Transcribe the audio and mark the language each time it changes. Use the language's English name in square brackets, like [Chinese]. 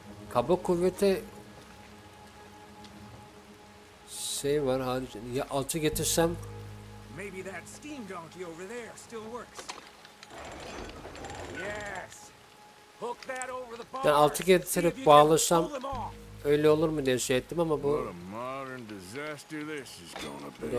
[Turkish] Kaba kuvveti şey var harici. Ya altı getirsem. [English] Maybe that steam donkey over there still works. Yes. Hook that over the bar. [Turkish] Ben altı getirip bağlasam öyle olur mu diye şey ettim ama bu. [English] What a modern disaster this is gonna be.